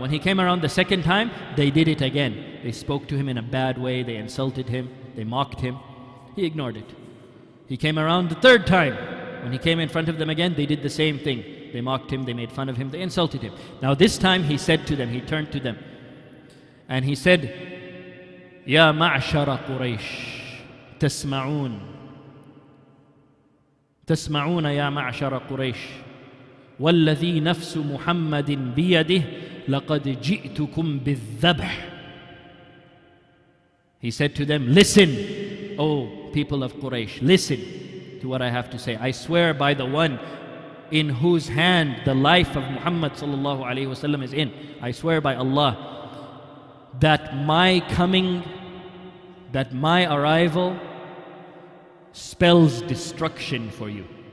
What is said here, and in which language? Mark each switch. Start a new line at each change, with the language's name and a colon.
English: When he came around the second time, they did it again. They spoke to him in a bad way. They insulted him. They mocked him. He ignored it. He came around the third time. When he came in front of them again, they did the same thing. They mocked him. They made fun of him. They insulted him. Now this time he said to them, he turned to them, and he said,
Arabic: Ya ma'shara Quraysh, تسمعون تسمعون يا معشر قريش والذي نفس محمد بيده لقد جئتكم بالذبح.
English: He said to them, listen, O people of Quraysh, listen to what I have to say. I swear by the one in whose hand the life of Muhammad sallallahu alayhi wasallam is in. I swear by Allah that my coming, that my arrival spells destruction for you.